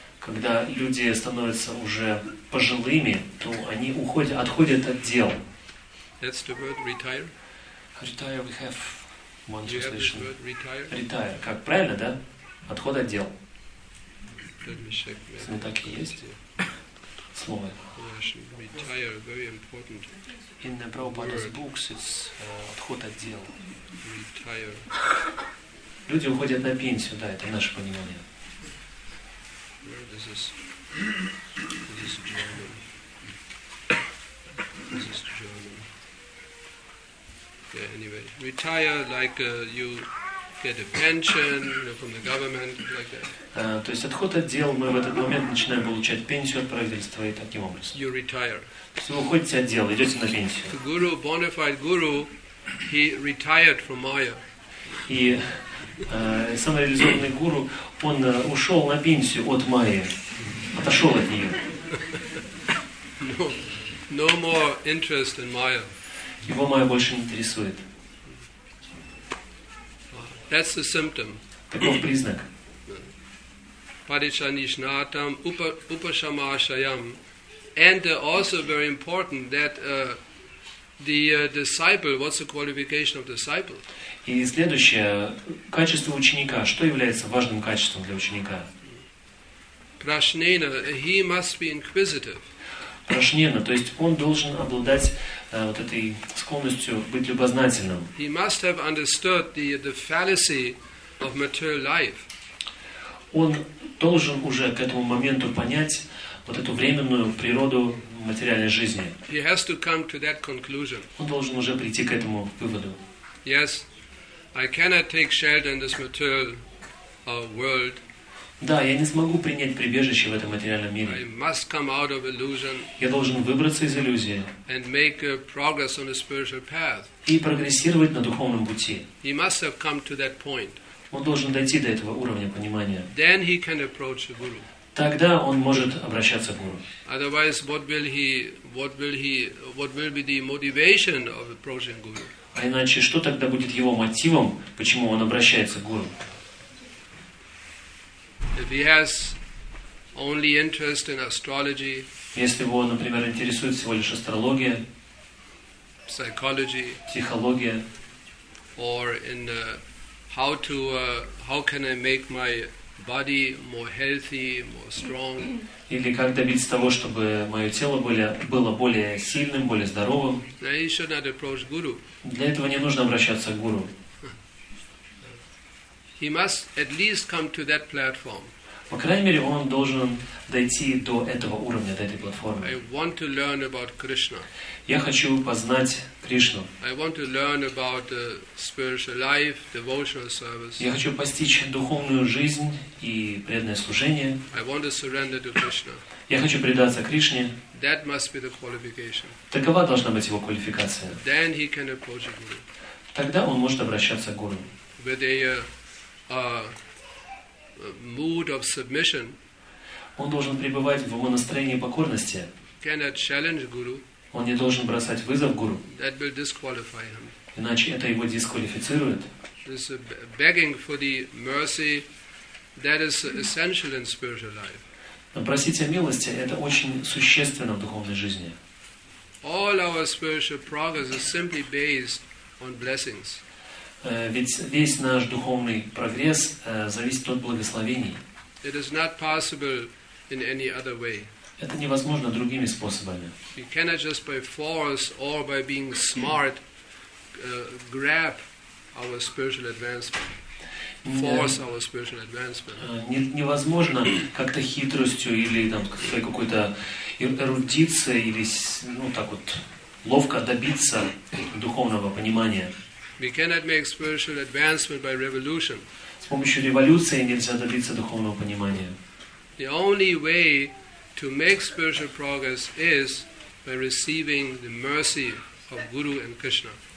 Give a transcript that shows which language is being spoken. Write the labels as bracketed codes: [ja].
[ru] Когда люди становятся уже пожилыми, то они уходят, отходят от дел. [en] That's the word retire. Retire, we have one translation. You have this word retire. [ru] Retire, как правильно, да? Отход от дел. [en] Let me check. [ru] Ну так и есть слово. [en] Yes, retire, very important. In the Prabhupada's books, it's [ru] отход от дел. [en] Retire. [ru] Люди уходят на пенсию, да, это наше понимание. [en] Where is this German? This is German. Yeah, anyway, retire like you get a pension, you know, from the government, like that. [ru] То есть отход от дел, мы в этот момент начинаем получать пенсию от правительства и таким образом. [en] You retire. [ru] Вы уходите от дел, идете на пенсию. [en] Guru, bona fide guru, he retired from Maya. [ru] И самореализованный гуру, он ушел на пенсию от Майи, отошел от нее. [en] No more interest in Maya. [ru] Его Майя больше не интересует. [en] That's the symptom. [ru] Таков признак. [sa] Парича нишнатам, упашамашаям. [en] And also very important that the disciple, what's the qualification of disciple? [ru] И следующее качество ученика, что является важным качеством для ученика? [en] Prashnena, he must be inquisitive. [ru] Прошнена, то есть он должен обладать вот этой склонностью быть любознательным. [en] He must have understood the fallacy of material life. [ru] Он должен уже к этому моменту понять вот эту временную природу материальной жизни. [en] He has to come to that conclusion. [ru] Он должен уже прийти к этому выводу. [en] Yes, I cannot take shelter in this material world. [ru] Да, я не смогу принять прибежище в этом материальном мире. [en] I must come out of illusion. [ru] Я должен выбраться из иллюзии. [en] And make progress on the spiritual path. [ru] И прогрессировать на духовном пути. [en] He must have come to that point. [ru] Он должен дойти до этого уровня понимания. [en] Then he can approach the guru. [ru] Тогда он может обращаться к гуру. [en] Otherwise, what will be the motivation of approaching guru? [ru] А иначе что тогда будет его мотивом, почему он обращается к гуру? [en] If he has only interest in astrology, [ru] если его, например, интересует всего лишь астрология, [en] psychology, [ru] психология, [en] or in how can I make my body more healthy, more strong? [ru] Или как добиться того, чтобы мое тело было более сильным, более здоровым? [en] Then he should not approach guru. [ru] Для этого не нужно обращаться к гуру. [en] He must at least come to that platform. [ru] По крайней мере, он должен дойти до этого уровня, до этой платформы. [en] I want to learn about Krishna. [ru] Я хочу познать Кришну. [en] I want to learn about the spiritual life, devotional service. [ru] Я хочу постичь духовную жизнь и преданное служение. [en] I want to surrender to Krishna. [ru] Я хочу предаться Кришне. [en] That must be the qualification. [ru] Такова должна быть его квалификация. [en] Then he can approach a guru. [ru] Тогда он может обращаться к гуру. [en] With a mood of submission. [ru] Он должен пребывать в настроении покорности. [en] Cannot challenge guru. [ru] Он не должен бросать вызов гуру. [en] That will disqualify him. [ru] Иначе это его дисквалифицирует. [en] This begging for the mercy that is essential in spiritual life. [ru] Просить о милости это очень существенно в духовной жизни. [en] All our spiritual progress is simply based on blessings. [ru] Ведь весь наш духовный прогресс зависит от благословений. [en] It is not possible in any other way. [ru] Это невозможно другими способами. [en] We cannot just by force or by being smart grab our spiritual advancement. Force our spiritual advancement. [ru] Невозможно как-то хитростью или там какой-то эрудицией или так вот ловко добиться духовного понимания. [en] We cannot make spiritual advancement by revolution. [ru] С помощью революции нельзя добиться духовного понимания. [en] The only way to make spiritual progress is by receiving the mercy of Guru and Krishna.